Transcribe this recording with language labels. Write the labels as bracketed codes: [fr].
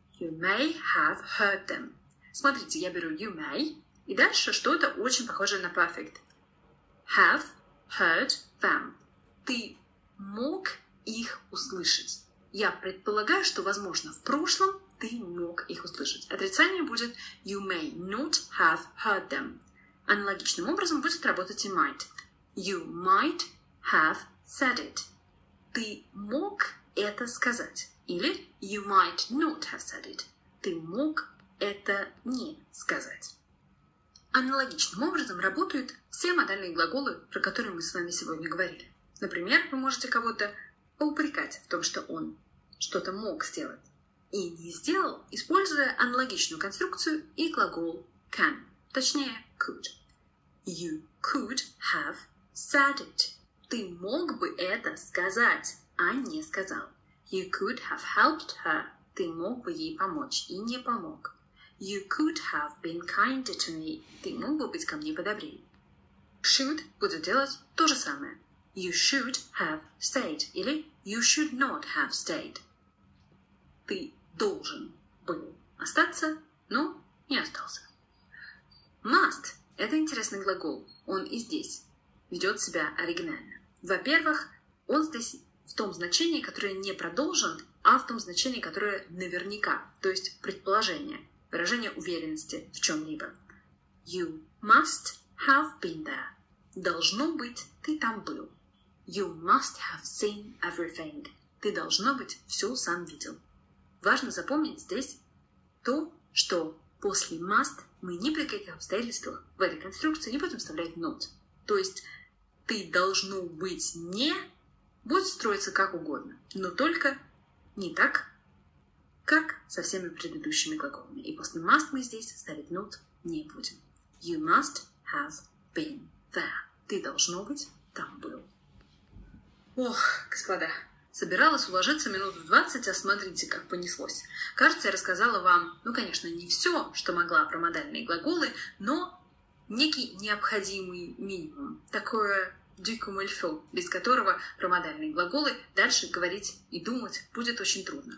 [en] You may have heard them. [ru] Смотрите, я беру [en] you may, [ru] и дальше что-то очень похожее на perfect. [en] Have heard them. [ru] Ты мог их услышать. Я предполагаю, что, возможно, в прошлом ты мог их услышать. Отрицание будет [en] you may not have heard them. [ru] Аналогичным образом будет работать и might. [en] You might have said it. [ru] Ты мог это сказать. Или [en] you might not have said it. [ru] Ты мог это не сказать. Аналогичным образом работают все модальные глаголы, про которые мы с вами сегодня говорили. Например, вы можете кого-то поупрекать в том, что он что-то мог сделать и не сделал, используя аналогичную конструкцию и глагол can, точнее could. [en] You could have said it. [ru] Ты мог бы это сказать, а не сказал. [en] You could have helped her. [ru] Ты мог бы ей помочь и не помог. [en] You could have been kinder to me. [ru] Ты мог бы быть ко мне подобрее. Should будет делать то же самое. [en] You should have stayed. [ru] Или [en] you should not have stayed. [ru] Ты должен был остаться, но не остался. Must – это интересный глагол. Он и здесь ведет себя оригинально. Во-первых, он здесь в том значении, которое не продолжен, а в том значении, которое наверняка, то есть предположение, выражение уверенности в чем-либо. [en] You must have been there. [ru] Должно быть, ты там был. [en] You must have seen everything. [ru] Ты, должно быть, все сам видел. Важно запомнить здесь то, что после must мы ни при каких обстоятельствах в этой конструкции не будем вставлять not. То есть ты должно быть не будет строиться как угодно, но только не так, как со всеми предыдущими глаголами. И после must мы здесь ставить not не будем. [en] You must have been there. [ru] Ты должно быть там был. Ох, господа, собиралась уложиться минут в 20, а смотрите, как понеслось. Кажется, я рассказала вам, ну, конечно, не все, что могла про модальные глаголы, но некий необходимый минимум, такое [fr] du comme il faut, [ru] без которого про модальные глаголы дальше говорить и думать будет очень трудно.